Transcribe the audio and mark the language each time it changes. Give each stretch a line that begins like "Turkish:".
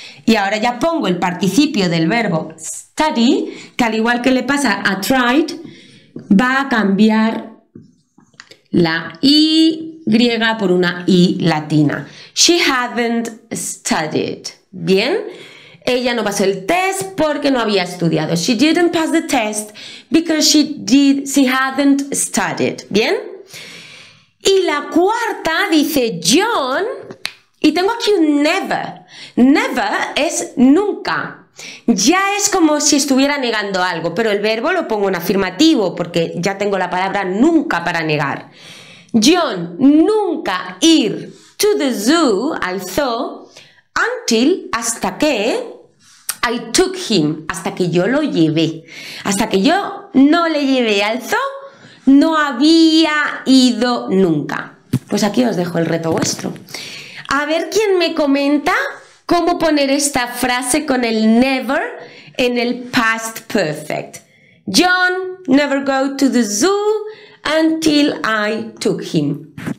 Spanish: Y ahora ya pongo el participio del verbo study, que al igual que le pasa a tried, va a cambiar la I griega por una I latina.
English: She hadn't studied.
Spanish: Bien, Ella no pasó el test porque no había estudiado.
English: She didn't pass the test because she hadn't studied.
Spanish: ¿Bien? Y la cuarta dice John. Y tengo aquí un never. Never es nunca. Ya es como si estuviera negando algo, pero el verbo lo pongo en afirmativo porque ya tengo la palabra nunca para negar. John nunca ir
English: to the zoo,
Spanish: al zoo, until, hasta que,
English: I took him,
Spanish: hasta que yo lo llevé. Hasta que yo no le llevé al zoo, no había ido nunca. Pues aquí os dejo el reto vuestro. A ver quién me comenta cómo poner esta frase con el never en el past perfect.
English: John never go to the zoo until I took him.